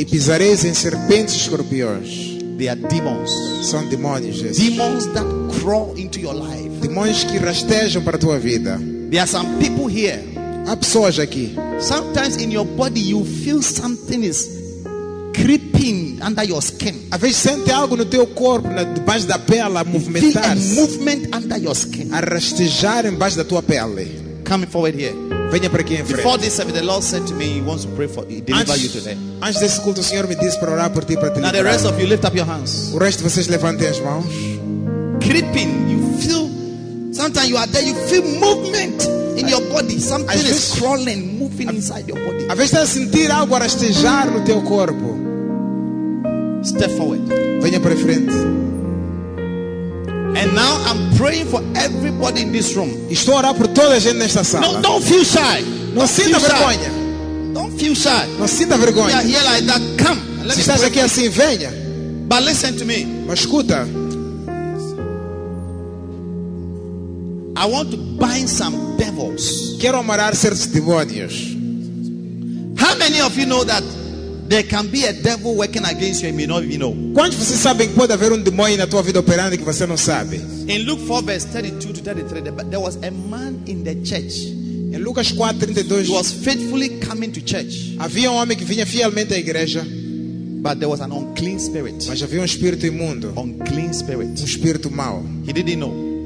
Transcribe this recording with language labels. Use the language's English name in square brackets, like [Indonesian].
[Portuguese] E pisareis em serpentes e escorpiões. [English] They are demons. [Portuguese] São demônios, Jesus. [English] Demons that crawl into your life. [Portuguese] Demônios que rastejam para a tua vida. [English] There are some people here. [Portuguese] Há pessoas aqui. [English] Sometimes in your body you feel something is creeping under your skin. [Portuguese] Às vezes sente algo no teu corpo, debaixo da pele, a movimentar-se. [English] Movement under your skin. [Portuguese] A rastejar embaixo da tua pele. [English] Coming forward here. [Portuguese] Venha para aqui em frente. [English] Before this service, the Lord said to me, He wants to pray for, deliver you today. [Portuguese] Antes desse culto, o Senhor me disse para orar por ti, para te liberar. [English] Now the rest of you lift up your hands. [Portuguese] O resto de vocês levantem as mãos. [English] Creeping, you feel. Sometimes you are there, you feel movement in your body. Something is crawling, moving inside your body. [Portuguese] Às vezes estás a sentir algo rastejar no teu corpo. [English] Step forward. [Portuguese] Venha para frente. [English] And now I'm praying for everybody in this room. [Portuguese] Estou a orar por toda a gente nesta sala. [English] No, don't feel shy. [Portuguese] Não sinta vergonha. [English] Don't feel shy. [Portuguese] Não sinta vergonha. [English] You are here like that. Come. Let me. [Portuguese] Se estás aqui assim, venha. [English] But listen to me. [Portuguese] Mas escuta. [English] I want to bind some devils. [Portuguese] Quero amarrar certos demônios. [English] How many of you know that there can be a devil working against you and you may not even know? [Portuguese] Quantos de vocês sabem que pode haver demônio na tua vida operando que você não sabe? [English] In Luke 4 verse 32 to 33, there was a man in the church. [Portuguese] Em Lucas 4:32, [English] he was faithfully coming to church. [Portuguese] Havia homem que vinha fielmente à igreja. [English] But there was an unclean spirit. [Portuguese] Mas havia espírito imundo. [English] Unclean spirit. [Portuguese] Espírito mau. [English] He didn't know.